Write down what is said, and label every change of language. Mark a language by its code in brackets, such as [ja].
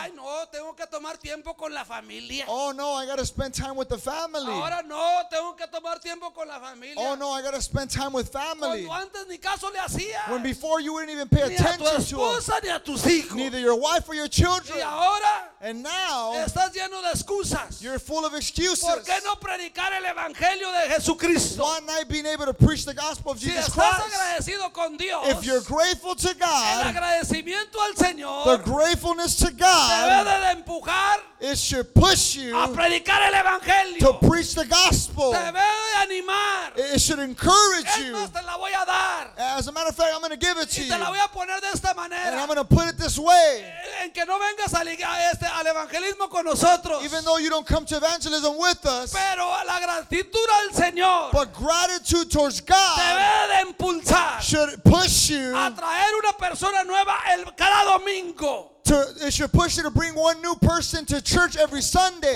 [es] Ay no, tengo que tomar tiempo con la familia. [en] Oh no, I gotta spend time with the family. [es] Ahora no, tengo que tomar tiempo con la familia. [en] Oh no, I gotta spend time with family. [es] Cuando antes ni caso le hacías. [en] When before you wouldn't even pay [es] ni [en] attention [es] a tu esposa, [en] to [es] ni a tus hijos. [en] Neither your wife for your children. [es] Y ahora, [en] and now [es] estás lleno de excusas. [en] You're full of excuses. [es] ¿Por qué no predicar el evangelio de Jesucristo? [en] Why not being able to preach the gospel of Jesus Christ? [es] Si estás agradecido con Dios, [en] if you're grateful to God, [es] el agradecimiento al Señor, [en] the gratefulness to God, [es] debe de empujar, [en] it should push you [es] a predicar el evangelio, [en] to preach the gospel. [es] Debe de animar, [en] it should encourage you. [es] Es más, te la voy a dar. [en] As a matter of fact, I'm going to give it to [es] y [en] you. [es] Te la voy a poner de esta manera. [en] And I'm going to put it this way. [es] En que no vengas al evangelismo con nosotros. [en] Even though you don't come to evangelism with us. [es] Pero la gratitud al Señor. [en] But gratitude towards God. [es] Debe de impulsar. [en] Should push you. [es] A traer una persona nueva cada domingo. [en] It should push you to bring one new person to church every Sunday.